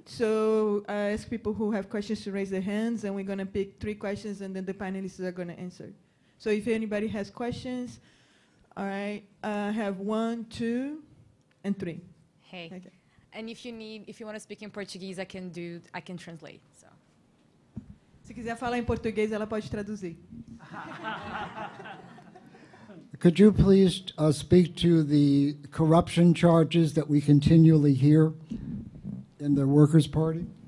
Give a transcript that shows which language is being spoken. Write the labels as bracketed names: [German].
[English] So I ask people who have questions to raise their hands, and we're going to pick three questions, and then the panelists are going to answer. So if anybody has questions, all right, have one, two, and three. Hey. Okay. And if you want to speak in Portuguese, I can translate. So. [Portuguese] Se quiser falar em português, ela pode traduzir. [English] Could you please speak to the corruption charges that we continually hear in the Workers' Party?